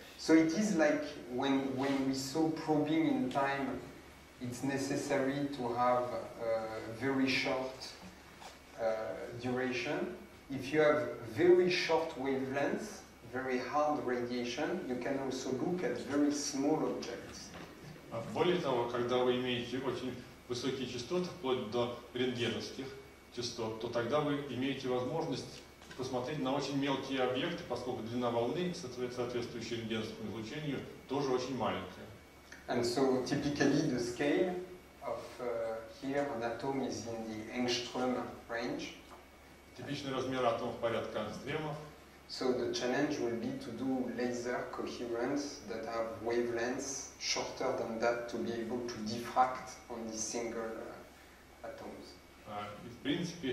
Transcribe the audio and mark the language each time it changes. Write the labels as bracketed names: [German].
[English] So it is like when we saw probing in time, it's necessary to have a very short duration. If you have very short wavelength, very hard radiation, you can also look at very small objects. [Russian] Более того, когда вы имеете очень высокие частоты, вплоть до рентгеновских, частот, то тогда вы имеете возможность посмотреть на очень мелкие объекты, поскольку длина волны, соответствующая рентгеновскому излучению, тоже очень маленькая. [English] And so typically the scale of here an atom is in the angstrom range. [Russian] Типичный размер атома в порядке ангстрема. [English] So the challenge will be to do laser coherence that have wavelengths shorter than that to be able to diffract on the single atoms.